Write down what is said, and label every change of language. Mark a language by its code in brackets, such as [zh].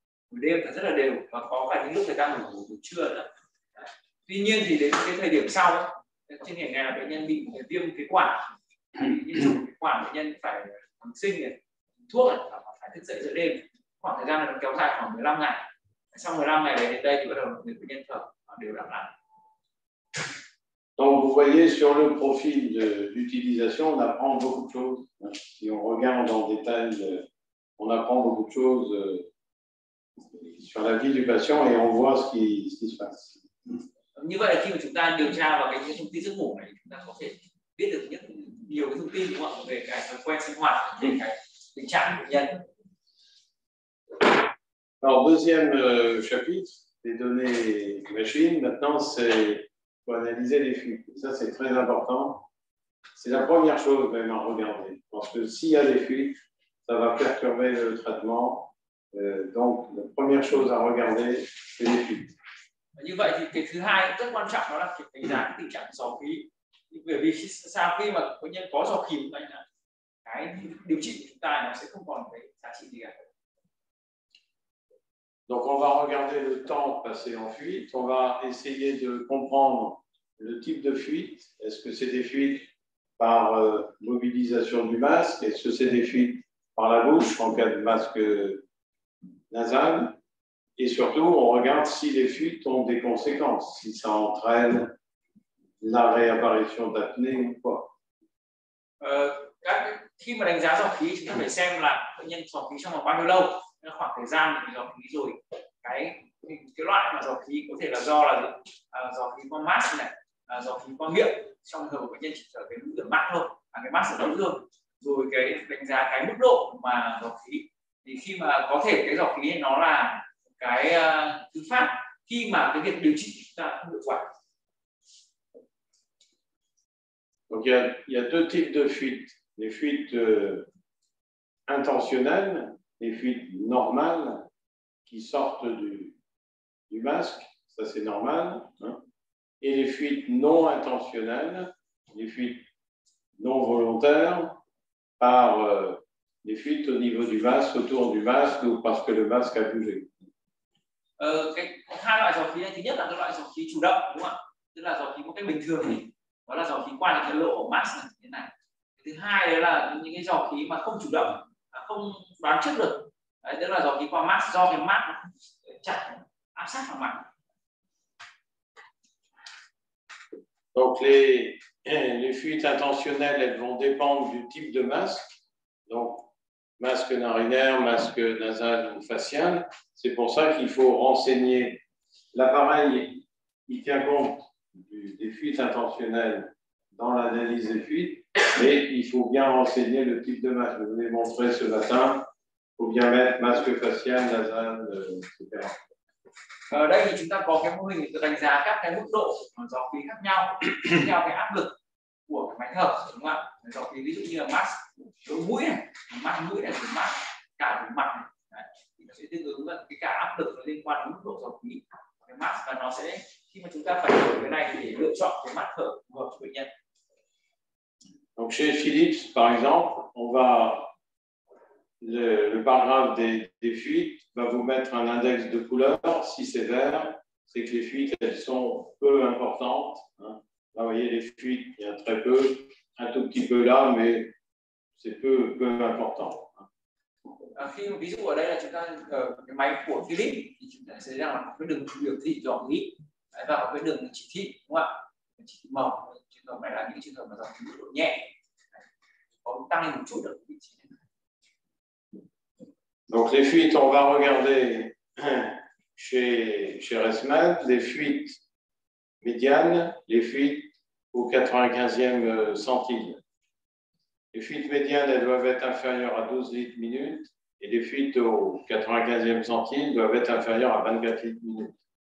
[vi] Đêm thở rất là đều và có cả những lúc thời gian ngủ buổi trưa nữa. Tuy nhiên thì đến cái thời điểm sau, trên hình ảnh là bệnh nhân bị viêm phế quản, những chủ phế quản bệnh nhân phải kháng sinh này, thuốc và phải thức dậy giữa đêm. Khoảng thời gian này nó kéo dài khoảng 15 ngày. Sau 15 ngày đến đây thì bắt đầu người bệnh nhân thở đều đặn lại. [fr] Donc, vous voyez sur le profil d'utilisation, on apprend beaucoup de choses. Si on regarde en détail, on apprend beaucoup de choses sur la vie du patient et on voit ce qui se passe. [vi] Như vậy, khi mà chúng ta điều tra vào cái những thông tin giấc ngủ này, chúng ta có thể biết được nhiều cái thông tin đúng không? Về cái thói quen sinh hoạt, về cái tình trạng bệnh nhân. [fr] Alors, deuxième chapitre, les données machines. Maintenant, c'est pour analyser les flux. Et ça, c'est très important. C'est la première chose même à regarder. Parce que s'il y a des fuites, ça va perturber le traitement. Donc, la première chose à regarder, c'est les fuites. [vi] Như vậy thì cái thứ hai rất quan trọng đó là kiểm đánh giá cái tình trạng dò khí. Nhưng bởi vì sao khi mà bệnh nhân có dò khí thì là cái điều trị của chúng ta nó sẽ không còn cái giá trị gì cả. [fr] Donc on va regarder le temps passé en fuite, on va essayer de comprendre le type de fuite. Est-ce que c'est des fuites par mobilisation du masque? Est-ce que c'est des fuites par la bouche en cas de masque nasal? Et surtout, on regarde si les fuites ont des conséquences, si ça entraîne la réapparition d'apnée ou quoi. [vi] Khi mà đánh giá dò khí, chúng ta phải xem là bệnh nhân dò khí trong bao nhiêu lâu, khoảng thời gian bị dò khí rồi. Cái loại mà dò khí có thể là do là dò khí qua mask này, dò khí qua miệng, trong trường hợp bệnh nhân chỉ trở về mức độ mắt thôi, à, cái mask ở đâu thôi. Rồi cái đánh giá cái mức độ mà dò khí, thì khi mà có thể cái dò khí nó là cái thứ phát khi mà cái việc điều trị là hiệu quả. [fr] Donc il y a deux types de fuites, les fuites intentionnelles, les fuites normales qui sortent du masque, ça c'est normal, hein, et les fuites non intentionnelles, les fuites non volontaires par les fuites au niveau du masque, autour du masque ou parce que le masque a bougé. [vi] Hai loại dò khí này, thứ nhất là cái loại dò khí chủ động, đúng không ạ? Tức là dò khí một cách bình thường thì đó là dò khí qua cái lỗ ở mask này, thế này. Thứ hai đấy là những cái dò khí mà không chủ động, không đoán trước được. Đấy, tức là dò khí qua mask do cái mask chặt áp sát vào mặt. [fr] Donc les fuites intentionnelles elles vont dépendre du type de masque. Donc masque narinaire, masque nasal ou facial. C'est pour ça qu'il faut renseigner l'appareil. Il tient compte des fuites intentionnelles dans l'analyse des fuites, mais il faut bien renseigner le type de masque. Je vous l'ai montré ce matin. Il faut bien mettre masque facial, nasal, etc. [vi] Đây thì chúng ta có cái mô hình để đánh giá các cái mức độ của dò khí khác nhau theo cái áp lực của cái máy thở, đúng không ạ? Dò khí ví dụ như là mask đối mũi này, mask mũi này, đối mặt cả đối mặt này. Sẽ tương ứng với cái cả áp lực liên quan đến mức độ dò khí cái mask, và nó sẽ khi mà chúng ta phải đổi cái này để lựa chọn cái mặt thở phù hợp của bệnh nhân. [fr] Donc chez Philips par exemple, on va le paragraphe des fuites va vous mettre un index de couleur. Si c'est vert, c'est que les fuites elles sont peu importantes, hein. Là vous voyez les fuites, il y a très peu, un tout petit peu là, mais c'est peu important. [vi] Khi ví dụ ở đây là chúng ta cái máy của Philips thì chúng ta sẽ thấy rằng là cái đường biểu thị dò khí và cái đường chỉ thị, đúng không ạ? Chỉ thị màu trường hợp này là những trường hợp mà dò khí độ nhẹ có tăng lên một chút được vị trí. [fr] Donc les fuites on va regarder chez ResMed les fuites médianes, les fuites au 95e centile. Les fuites médianes elles doivent être inférieures à 12 litres minute. Et les fuites au 95e centile doivent être inférieures à 24 litres minutes.